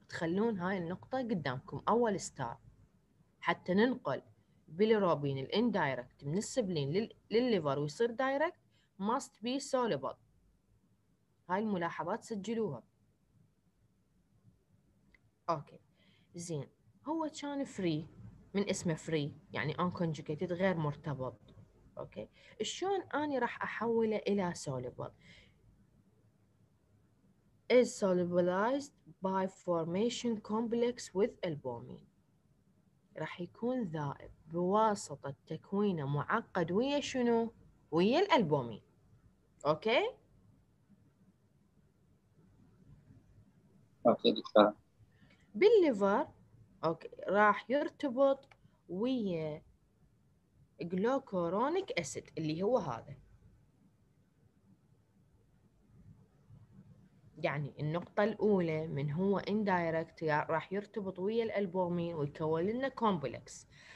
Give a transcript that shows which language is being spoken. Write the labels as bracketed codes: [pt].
[ar] تخلون هاي النقطة قدامكم أول ستار. حتى ننقل بيليروبين الاندايركت من السبلين للليفر ويصير دايركت [en] must be soluble. [ar] هاي الملاحظات سجلوها. اوكي زين هو كان فري، من اسمه فري يعني unconjugated غير مرتبط. اوكي شلون اني راح احوله الى [en] soluble؟ is solubilized by formation complex with albumin. [ar] راح يكون ذائب بواسطه تكوينه معقد ويا شنو؟ ويا الالبومين. اوكي بالليفر اوكي راح يرتبط ويا جلوكورونيك اسيد اللي هو هذا، يعني النقطه الاولى من هو اندايركت راح يرتبط ويا الالبومين ويكون لنا كومبلكس.